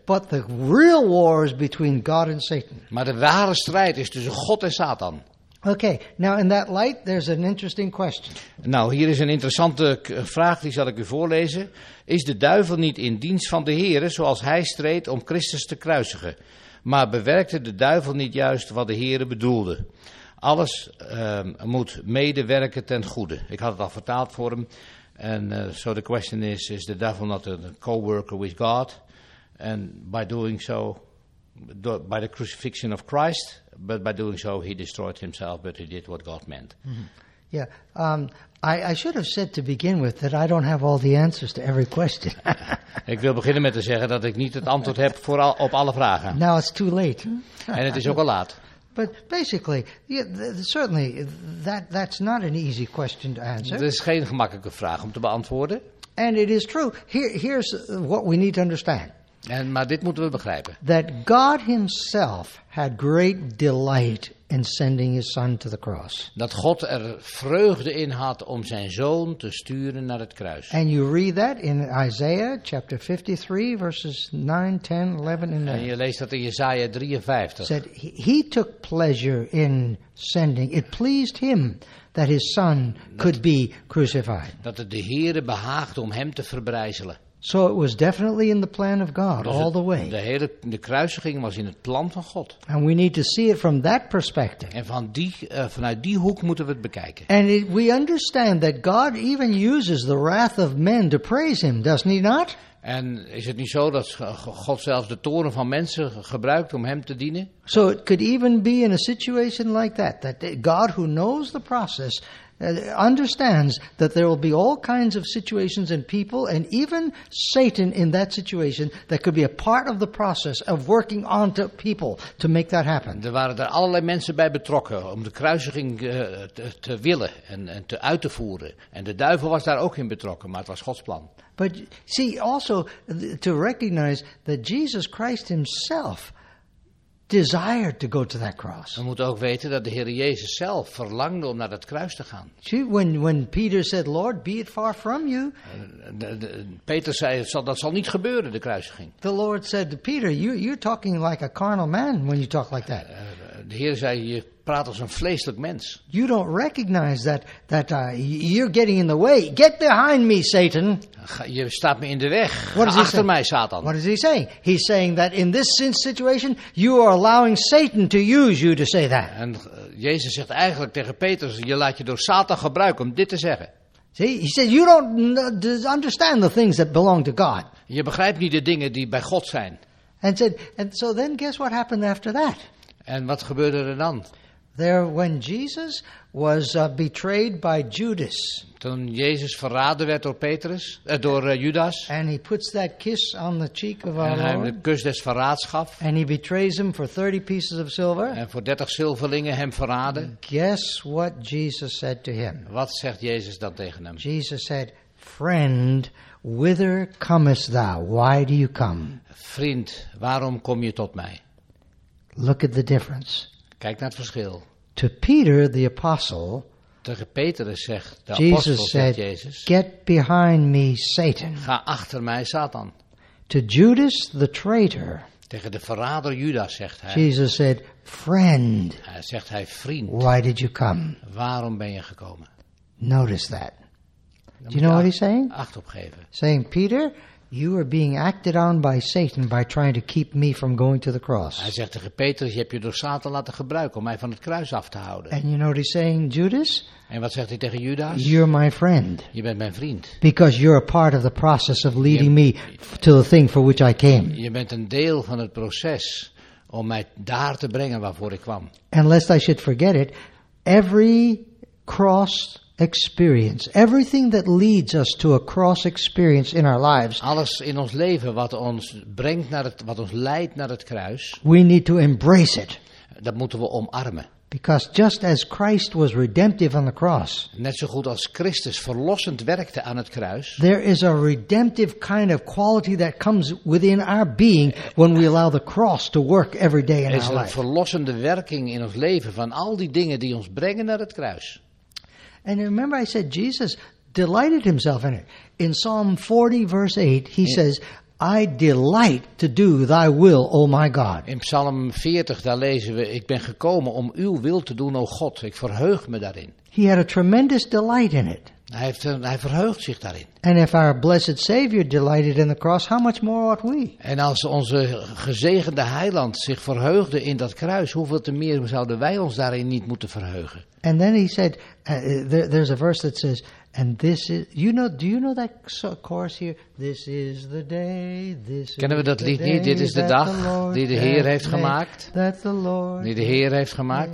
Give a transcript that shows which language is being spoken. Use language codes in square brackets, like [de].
[en] But the real war is between God and Satan. [nl] Maar de ware strijd is tussen God en Satan. [en] Okay, now in that light there's an interesting question. [nl] Nou, hier is een interessante vraag die zal ik u voorlezen. Is de duivel niet in dienst van de Here zoals hij streed om Christus te kruisigen? Maar bewerkte de duivel niet juist wat de Here bedoelde? Alles moet medewerken ten goede. Ik had het al vertaald voor hem. [en] And so the question is the devil not a co-worker with God? And by doing so, by the crucifixion of Christ, but by doing so he destroyed himself, but he did what God meant. Mm-hmm. Yeah, I should have said to begin with that I don't have all the answers to every question. [nl] Ik wil beginnen met te zeggen dat ik niet het antwoord heb voor op alle vragen. [en] Now it's too late. [nl] En het is ook al laat. [en] But basically, certainly, that's not an easy question to answer. [nl] Dat is geen gemakkelijke vraag om te beantwoorden. [en] And it is true. Here's what we need to understand. [nl] Maar dit moeten we begrijpen. [en] That God himself had great delight in sending his son to the cross. [nl] Dat God er vreugde in had om zijn zoon te sturen naar het kruis. [en] And you read that in Isaiah chapter 53 verses 9, 10, 11 and [nl] 9. En je leest dat in Jesaja 53. [en] Said he took pleasure in sending. It pleased him that his son could be crucified. [nl] Dat het de Heere behaagde om hem te verbrijzelen. [en] So it was definitely in the plan of God all the way. [nl] De kruisiging was in het plan van God. [en] And we need to see it from that perspective. [nl] En vanuit die hoek moeten we het bekijken. [en] And we understand that God even uses the wrath of men to praise him, doesn't he not? [nl] En is het niet zo dat God zelfs de toren van mensen gebruikt om hem te dienen? [en] So it could even be in a situation like that, that God who knows the process understands that there will be all kinds of situations and people and even Satan in that situation that could be a part of the process of working on to people to make that happen. [nl] Er waren er allerlei mensen bij betrokken om de kruisiging te willen en te uit te voeren. En de duivel was daar ook in betrokken, maar het was Gods plan. [en] But see, also to recognize that Jesus Christ himself desired to go to that cross. [nl] We moeten ook weten dat de Heer Jezus zelf verlangde om naar dat kruis te gaan. [en] See, when Peter said, "Lord, be it far from you," [nl] Peter zei, dat zal niet gebeuren, de kruisiging. [en] The Lord said to Peter, "You're talking like a carnal man when you talk like that." [nl] De Heer zei, je praat als een vleeselijk mens. [en] You don't recognize that you're getting in the way. Get behind me, Satan. [nl] Je staat me in de weg. Achter mij, Satan. [en] What is he saying? He's saying that in this situation, you are allowing Satan to use you to say that. [nl] En Jezus zegt eigenlijk tegen Petrus, je laat je door Satan gebruiken om dit te zeggen. [en] See, he says, you don't understand the things that belong to God. [nl] Je begrijpt niet de dingen die bij God zijn. [en] And so then guess what happened after that? [nl] En wat gebeurde er dan? [en] There, when Jesus was betrayed by Judas. [nl] Toen Jezus verraden werd door Petrus, Judas. [en] And he puts that kiss on the cheek of our Lord. [nl] En hij hem de kus des verraads gaf. [en] And he betrays him for 30 pieces of silver. [nl] En voor 30 zilverlingen hem verraden. [en] Guess what Jesus said to him? [nl] Wat zegt Jezus dan tegen hem? [en] Jesus said, "Friend, whither comest thou? Why do you come?" [nl] Vriend, waarom kom je tot mij? [en] Look at the difference. [nl] Kijk naar het verschil. [en] To Peter the apostle, [nl] tegen Petrus zegt de [en] Jesus [nl] apostel, zegt [en] said, [nl] Jezus, [en] "Get behind me, Satan." [nl] Ga achter mij, Satan. [en] To Judas the traitor, [nl] Tegen de verrader Judas zegt hij. [en] Jesus said, friend. [nl] Zegt hij, vriend. [en] Why did you come? [nl] Waarom ben je gekomen? [en] Notice that. Do you know what he's saying? [nl] Acht opgeven. [en] Saying, Peter, you are being acted on by Satan by trying to keep me from going to the cross. [nl] Hij zegt tegen Petrus, je hebt je door Satan laten gebruiken om mij van het kruis af te houden. [en] And you know what he's saying, Judas? [nl] En wat zegt hij tegen Judas? [en] You're my friend. [nl] Je bent mijn vriend. [en] Because you're a part of the process of leading me to the thing for which I came. [nl] Je bent een deel van het proces om mij daar te brengen waarvoor ik kwam. [en] And lest I should forget it, every cross experience, everything that leads us to a cross experience in our lives. [nl] Alles in ons leven wat ons brengt naar het, wat ons leidt naar het kruis. [en] We need to embrace it. [nl] Dat moeten we omarmen. [en] Because just as Christ was redemptive on the cross. [nl] Net zo goed als Christus verlossend werkte aan het kruis. [en] There is a redemptive kind of quality that comes within our being when we allow the cross to work every day in our life. [nl] Er is een verlossende werking in ons leven van al die dingen die ons brengen naar het kruis. [en] And remember I said Jesus delighted himself in it. In Psalm 40 verse 8 he says, I delight to do thy will, O my God. [nl] In Psalm 40 daar lezen we, ik ben gekomen om uw wil te doen, O God. Ik verheug me daarin. [en] He had a tremendous delight in it. [nl] Hij verheugt zich daarin. [en] And if our blessed Savior delighted in the cross, how much more ought we? [nl] En als onze gezegende Heiland zich verheugde in dat kruis, hoeveel te meer zouden wij ons daarin niet moeten verheugen? [en] And then he said, there's a verse that says, and this is, you know, do you know that chorus here? This is the day, this is. [nl] Kennen we dat lied niet? Dit is de dag die de Heer heeft gemaakt. [en] That the Lord. [nl] Die de Heer heeft gemaakt.